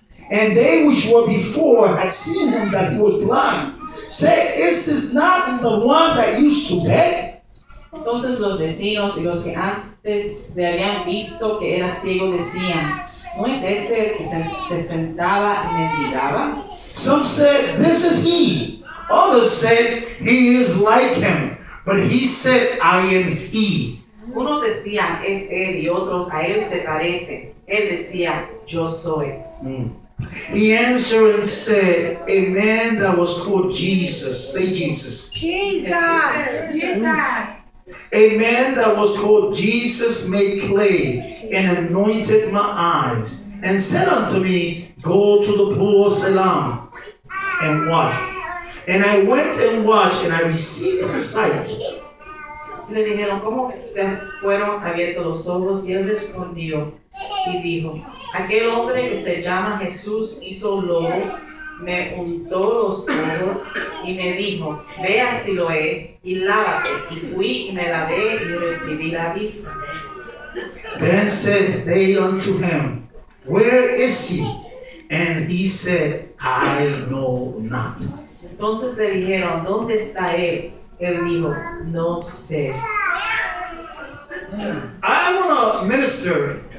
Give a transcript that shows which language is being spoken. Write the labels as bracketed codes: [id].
[en] And they which were before had seen him that he was blind, say, is this not the one that used to beg? [es] Entonces los vecinos y los que antes le habían visto que era ciego decían, ¿no es este el que se sentaba y mendigaba? [en] Some said, this is he. Others said, he is like him. But he said, I am he. [es] Unos decían, es él, y otros, a él se parece. Él decía, yo soy. [en] He answered and said, a man that was called Jesus. Say Jesus. Jesus. A man that was called Jesus made clay and anointed my eyes and said unto me, go to the pool of Siloam and wash. And I went and washed and I received the sight. [es] Le dijeron, ¿cómo te fueron abiertos los ojos? Y él respondió y dijo, aquel hombre que se llama Jesús hizo lodo, me untó los ojos y me dijo, ve a Siloé y lávate. Y fui y me lavé y recibí la vista. [en] Then said they unto him, where is he? And he said, I know not. [es] Entonces le dijeron, ¿dónde está él? Él dijo, no sé. [en] I want to minister.